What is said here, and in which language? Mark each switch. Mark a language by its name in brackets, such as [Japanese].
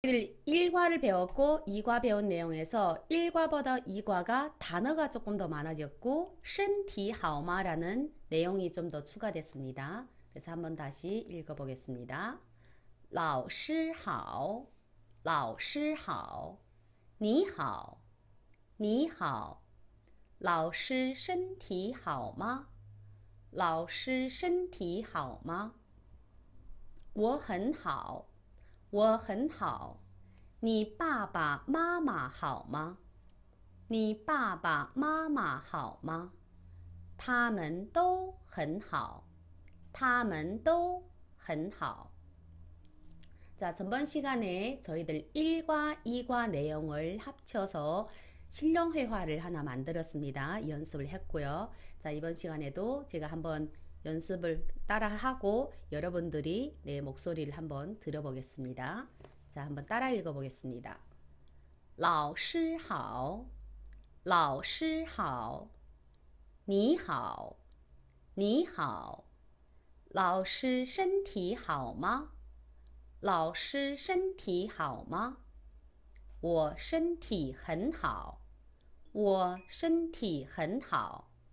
[Korean] 1과를 배웠고 2과 배운 내용에서 1과보다 2과가 단어가 조금 더 많아졌고 [Chinese] '身体 好吗'라는 [Korean] 내용이 좀더 추가됐습니다. 그래서 한번 다시 읽어보겠습니다. [Chinese] 老师好，老师好，你好，你好，老师身体好吗？老师身体好吗？我很好，我很好。你爸爸妈妈好吗？你爸爸妈妈好吗？他们都很好，他们都很好。 [Korean] 자, 전번 시간에 저희들 1과 2과 내용을 합쳐서 실용 회화를 하나 만들었습니다. 연습을 했고요. 자, 이번 시간에도 제가 한번 연습을 따라하고 여러분들이 내 목소리를 한번 들어보겠습니다. 자, 한번 따라 읽어보겠습니다. [Chinese] 老师好，老师好，你好，你好，老师身体好吗？老师身体好吗？我身体很好，我身体很好。